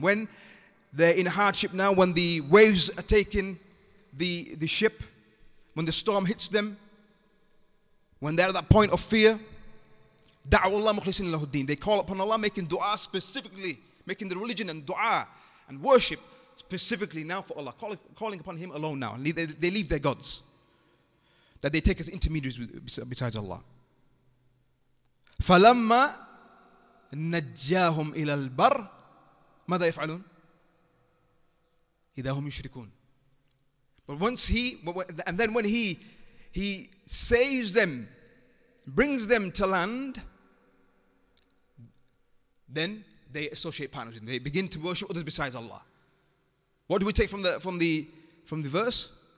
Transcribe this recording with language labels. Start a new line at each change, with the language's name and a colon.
English: When they're in hardship now, when the waves are taking the ship, when the storm hits them, when they're at that point of fear,
Arabic: دعوة الله مخلصين له الدين.
English: They call upon Allah, making dua specifically, making the religion and dua and worship specifically now for Allah, calling upon Him alone now. And they leave their gods that they take as intermediaries besides Allah.
Arabic: فلما نجاهم إلى البر ماذا يفعلون إذا هم يشركون.
English: But once he, and then when he saves them, brings them to land, then they associate partners with him. They begin to worship others besides Allah. What do we take from the verse?